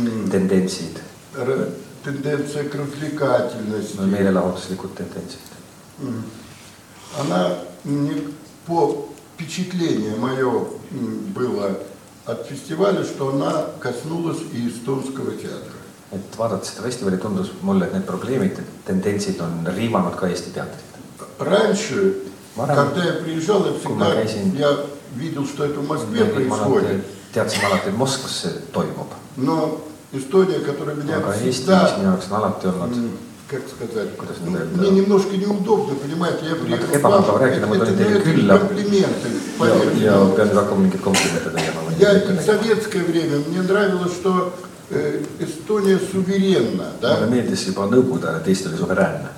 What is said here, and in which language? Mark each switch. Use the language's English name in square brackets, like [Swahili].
[Russian] Тенденции. Тенденция к развлекательности. Намерила вот слегка тенденции. Она мне по впечатлению мое было от фестиваля, что она коснулась и эстонского театра. [Estonian] Et vaadates seda festivali tundus mulle, et need probleemid, tendentsid on riimanud ka Eesti teatrit. [Russian] Раньше, когда я приезжал, я всегда видел, что это в Москве происходит. [Estonian] Teatsin alati, et Moskvas see toimub. [Russian] Но Эстония, которая меня всегда... [Estonian] Aga Eestis minu jaoks on alati olnud... [Russian] Как сказать? [Estonian] Kuidas nüüd öelda? [Russian] Мне немножко неудобно, понимаете, я приехал... [Estonian] Natuke ebamugav rääkida, ma tulin teile külla. Komplimente, paljud. Ja pean nüüd hakkama mingit komplimente tegema. [Russian] Я в советское время, мне нравилось, что... Эстония суверенна, да? Но меня здесь было нужно, а здесь были суверенны.